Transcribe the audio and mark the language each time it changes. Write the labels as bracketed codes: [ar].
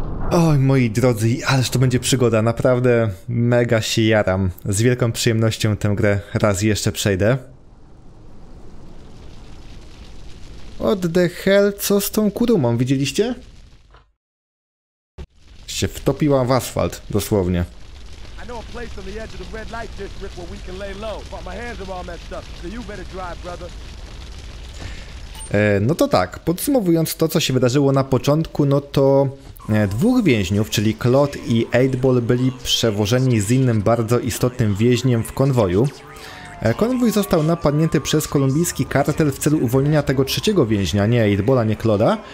[pl] Oj, moi drodzy, ależ to będzie przygoda. Naprawdę mega się jaram. Z wielką przyjemnością tę grę raz jeszcze przejdę. [en] What the hell? [pl] Co z tą kurumą? Widzieliście? Się wtopiła w asfalt, dosłownie. [en] I know a place on the edge of the red light district where we can lay low, but my hands are all messed up, so you better drive, brother. [pl] No to tak, podsumowując to, co się wydarzyło na początku, no to dwóch więźniów, czyli Claude i 8Ball, byli przewożeni z innym bardzo istotnym więźniem w konwoju. Konwój został napadnięty przez kolumbijski kartel w celu uwolnienia tego trzeciego więźnia, nie 8Balla, nie Claude'a.